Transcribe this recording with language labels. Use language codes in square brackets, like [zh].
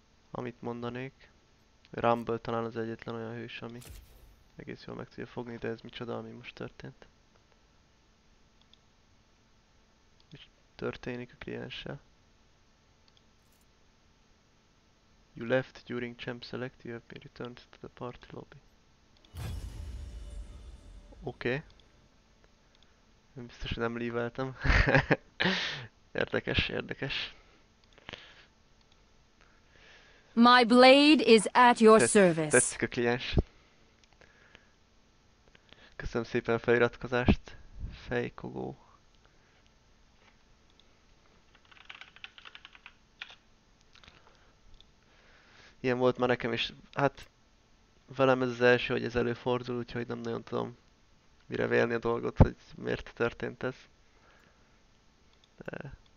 [hu] Amit mondanék, Rumble talán az egyetlen olyan hős, ami egész jól meg tudja fogni, de ez micsoda, ami most történt. Mi történik a klienssel? [en] You left during champ select, you have been returned to the party lobby. [hu] Oké. [en] Okay. [hu] Nem biztos, hogy nem leveltem. Érdekes, érdekes. [en] My blade is at your service. [hu] Tetszik a kliens. Köszönöm szépen a feliratkozást, fejkogó. Ilyen volt már nekem is, hát velem ez az első, hogy ez előfordul, úgyhogy nem nagyon tudom mire vélni a dolgot, hogy miért történt ez. De...